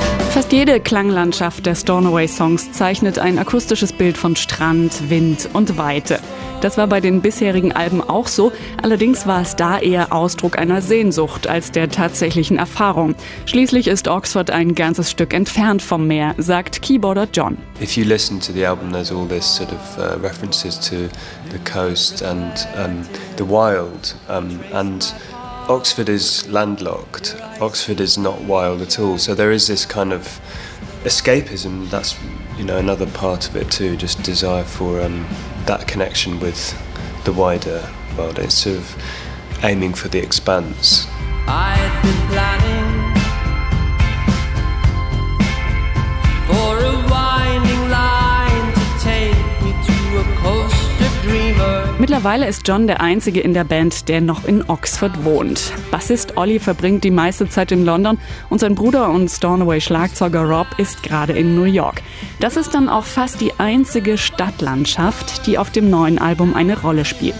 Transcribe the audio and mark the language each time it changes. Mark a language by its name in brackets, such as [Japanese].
[German] Fast jede Klanglandschaft der Stornoway-Songs zeichnet ein akustisches Bild von Strand, Wind und Weite. Das war bei den bisherigen Alben auch so, allerdings war es da eher Ausdruck einer Sehnsucht als der tatsächlichen Erfahrung. Schließlich ist Oxford ein ganzes Stück entfernt vom Meer, sagt Keyboarder John. [English] If you listen to the album, there's all this sort of references to the coast and the wild and Oxford is landlocked. Oxford is not wild at all. So there is this kind of escapism. That's, you know, another part of it too. Just desire for that connection with the wider world. It's sort of aiming for the expanse. I've been planning for a winding line to take me to a coast of dreamer. [German] Mittlerweile ist John der Einzige in der Band, der noch in Oxford wohnt. Bassist Olli verbringt die meiste Zeit in London und sein Bruder und Stornoway-Schlagzeuger Rob ist gerade in New York. Das ist dann auch fast die einzige Stadtlandschaft, die auf dem neuen Album eine Rolle spielt.